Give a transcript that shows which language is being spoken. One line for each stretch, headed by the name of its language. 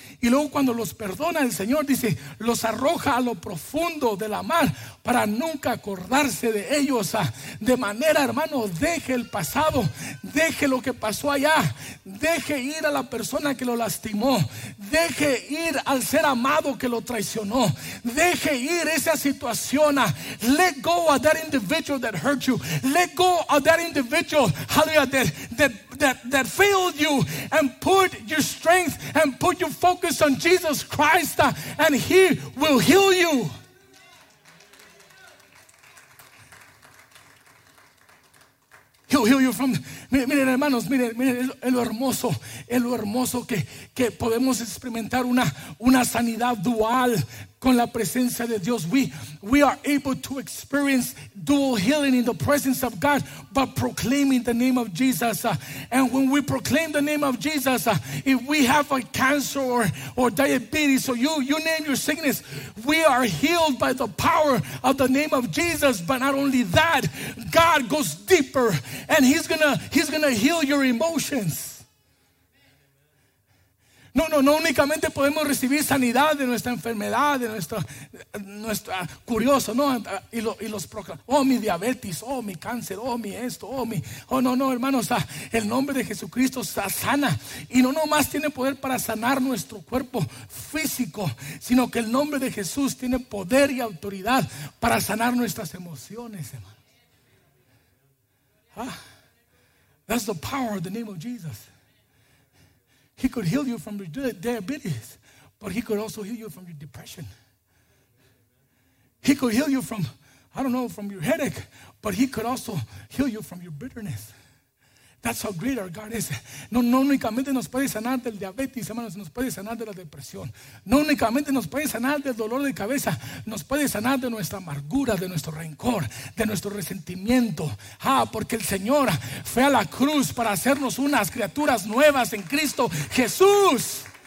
Spanish: Y luego cuando los perdona el Señor, dice, los arroja a lo profundo de la mar para nunca acordarse de ellos. De manera, hermano, deje el pasado, deje lo que pasó allá, deje ir a la persona que lo lastimó, deje ir al ser amado que lo traicionó, deje ir esa situación.
English: Let go of that individual that hurt you. Let go of that individual, hallelujah, that failed you, and put your strength and put your focus on Jesus Christ, and he will heal you. He'll heal you from.
Spanish: Miren, hermanos, miren lo hermoso que podemos experimentar una sanidad dual con la presencia de Dios.
English: We are able to experience dual healing in the presence of God by proclaiming the name of Jesus. And when we proclaim the name of Jesus, if we have a cancer or diabetes, or you name your sickness, we are healed by the power of the name of Jesus. But not only that, God goes deeper, and he's gonna heal your emotions.
Spanish: No únicamente podemos recibir sanidad de nuestra enfermedad, de nuestra curioso, ¿no? Y los proclamamos, oh, mi diabetes, oh, mi cáncer, oh, mi esto, oh, mi, oh, no, hermanos, el nombre de Jesucristo sana. Y no nomás tiene poder para sanar nuestro cuerpo físico, sino que el nombre de Jesús tiene poder y autoridad para sanar nuestras emociones, hermano.
English: That's the power of the name of Jesus. He could heal you from your diabetes, but he could also heal you from your depression. He could heal you from, I don't know, from your headache, but he could also heal you from your bitterness. That's how great our God is.
Spanish: No únicamente nos puede sanar del diabetes, hermanos, nos puede sanar de la depresión. No únicamente nos puede sanar del dolor de cabeza, nos puede sanar de nuestra amargura, de nuestro rencor, de nuestro resentimiento. Ah, porque el Señor fue a la cruz para hacernos unas criaturas nuevas en Cristo Jesús.